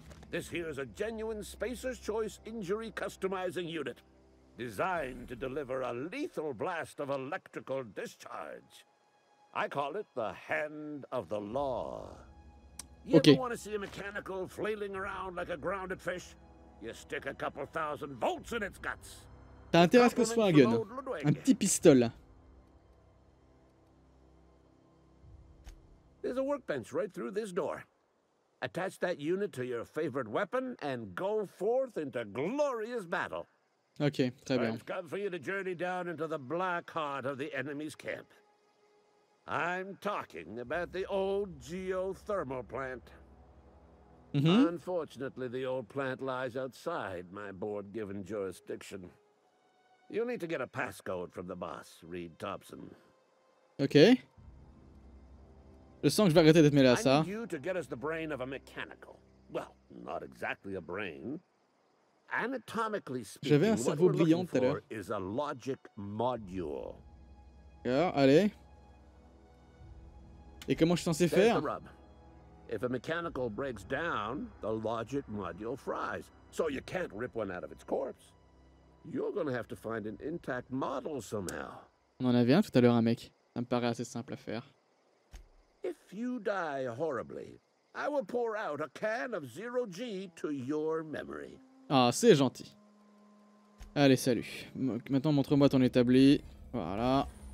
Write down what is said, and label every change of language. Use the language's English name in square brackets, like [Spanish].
[English] This here is a genuine Spacer's Choice injury customizing unit, designed to deliver a lethal blast of electrical discharge. I call it the hand of the law. You okay. Ever want to see a mechanical flailing around like a grounded fish? You stick a couple thousand volts in its guts. [French] T'as intérêt que ce soit un gun, un petit pistolet. [English] There's a workbench right through this door. Attach that unit to your favorite weapon and go forth into glorious battle. [French] Okay, très bien. [English] I've come for you to journey down into the black heart of the enemy's camp. I'm talking about the old geothermal plant. Mm-hmm. Unfortunately, the old plant lies outside my board-given jurisdiction. You'll need to get a passcode from the boss, Reed Thompson. Okay. [French] Je sens que je vais arrêter d'être mêlé à ça. [English] I need you to get us the brain of a mechanical. Well, not exactly a brain. Anatomically speaking, [French] j'avais un cerveau brillant tout à l'heure. [English] Is a logic module. [French] Yeah, allez. Et comment je suis censé faire? [English] If a mechanical breaks down, the logic module fries. So you can't rip one out of its corpse. You're gonna have to find an intact model somehow. [French] On en avait un tout à l'heure, un mec. Ça me paraît assez simple à faire. [English] If you die horribly, I will pour out a can of zero G to your memory. [French] Ah, c'est gentil. Allez, salut. Maintenant, montre-moi ton établi. Voilà.